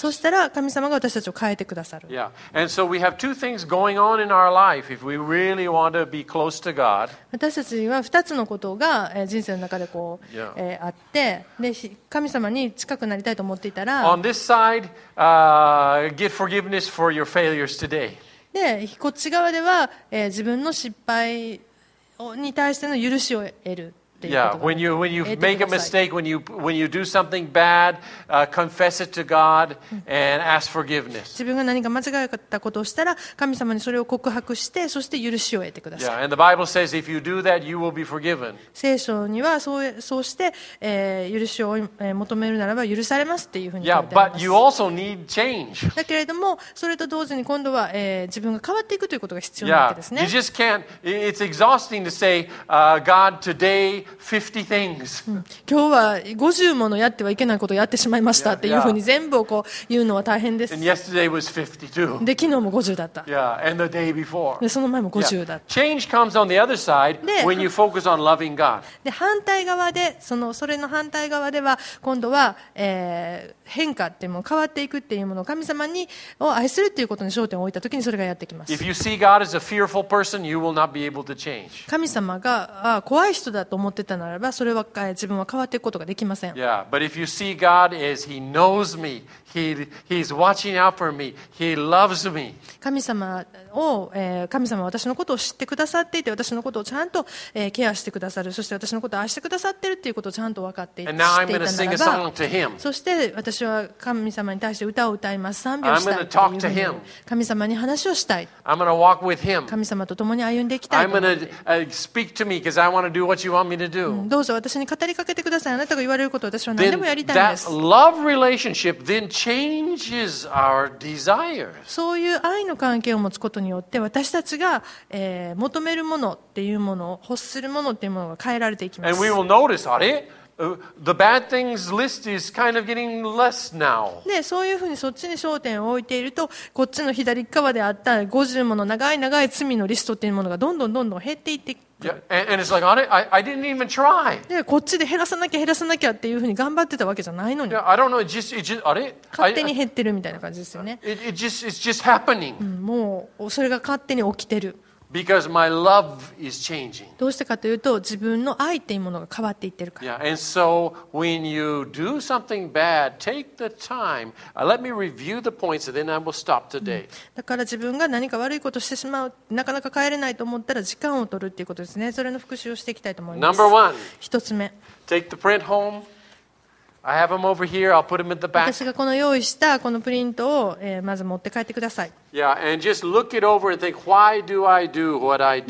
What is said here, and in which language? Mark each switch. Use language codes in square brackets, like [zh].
[ja] そしたら神様が私たちを変えてくださる。 [en] Yeah. And so we have two things going on in our life if we really want to be close to God. [ja] 私たちには二つのことが人生の中でこう、あって、で神様に近くなりたいと思っていたら、 [en] on this side, get forgiveness for your failures today. [ja] でこっち側では、自分の失敗に対しての許しを得るっていう。 [en] Yeah, when you make a mistake, when you do something bad, confess it to God and ask forgiveness. [ja] 自分が何か間違えたことをしたら、神様にそれを告白して、そして許しを得てください。 [en] Yeah, and the Bible says if you do that, you will be forgiven. [ja] 聖書にはそうして、許しを求めるならば許されますっていうふうに書いてあります。 [en] Yeah, but you also need change. [ja] だけれども、それと同時に今度は、自分が変わっていくということが必要なわけですね。 [en] Yeah, you just can't. It's exhausting to say, God, today. 50 things. [ja] 今日は50ものやってはいけないことをやってしまいましたっていうふうに全部をこう言うのは大変です。 [en] And yesterday was 52. [ja] で昨日も50だった。 [en] Yeah. And the day before. [ja] でその前も50だった。 [en] Change comes on the other side when you focus on loving God. [ja] で反対側で、それの反対側では今度は、変化っていうもの、変わっていくっていうものを神様にを愛するっていうことに焦点を置いたときにそれがやってきます。 [en] If you see God as a fearful person, you will not be able to change. [ja] 神様が怖い人だと思ってたならば、それは自分は変わっていくことができません。 [en] Yeah, but if you see God as He knows me, He's watching out for me, He loves me. [ja] 神様を、神様は私のことを知ってくださっていて、私のことをちゃんと、ケアしてくださる、そして私のことを愛してくださってるっていうことをちゃんと分かっていて、 [en] And now I'm going to sing a song to Him. [ja] そして私は神様に対して歌を歌います、賛美をしたい。 [en] I'm going to talk to Him. [ja] 神様に話をしたい。 [en] I'm going to walk with Him. [ja] 神様と共に歩んでいきたい。 [en] I'm going to speak to me because I want to do what you want me to do. [ja] どうぞ私に語りかけてください。あなたが言われることを私は何でもやりたいんです。 [en] Then that love relationship then changes our desires. [ja] そういう愛の関係を持つことによって私たちが、求めるものっていうもの、欲するものっていうものが変えられていきます。 [en] And we will notice, あれ? The bad things list is kind of getting less now. [ja] で、そういうふうにそっちに焦点を置いていると、こっちの左側であった50もの長い長い罪のリストっていうものがどんどんどんどん減っていって。 [en] Yeah, and it's like, I didn't even try. [ja] で、こっちで減らさなきゃ減らさなきゃっていうふうに頑張ってたわけじゃないのに。 [en] Yeah, I don't know. It just, あれ? [ja] 勝手に減ってるみたいな感じですよね。 [en] It's just happening. [ja] うん、もうそれが勝手に起きてる。 [en] Because my love is changing. [ja] どうしてかというと、自分の愛っていうものが変わっていってるから。 [en] Yeah, and so when you do something bad, take the time. Let me review the points, and then I will stop today. [ja] だから自分が何か悪いことをしてしまう、なかなか帰れないと思ったら時間を取るっていうことですね。それの復習をしていきたいと思います。 [en] Number one. [ja] 一つ目。 [en] Take the print home. I have them over here. I'll put them at the back. [ja] 私がこの用意したこのプリントを、まず持って帰ってください。 [en] Yeah, and just look it over and think, why do I do what I do?